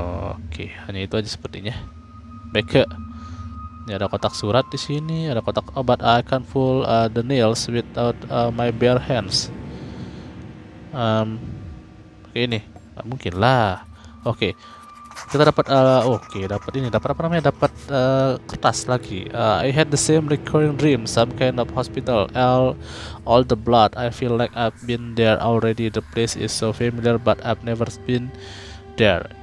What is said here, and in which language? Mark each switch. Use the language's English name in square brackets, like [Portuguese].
[Indonesian] Oke, hanya itu aja sepertinya. Beke. Ini ada kotak surat di sini, ada kotak obat. [English] I can't pull the nails without my bare hands. [Indonesian] Oke, ini. Nggak mungkin lah. Oke. Kita dapat dapat ini, dapat apa namanya? Dapat kertas lagi. [English] I had the same recurring dream, some kind of hospital. All the blood. I feel like I've been there already. The place is so familiar but I've never been there.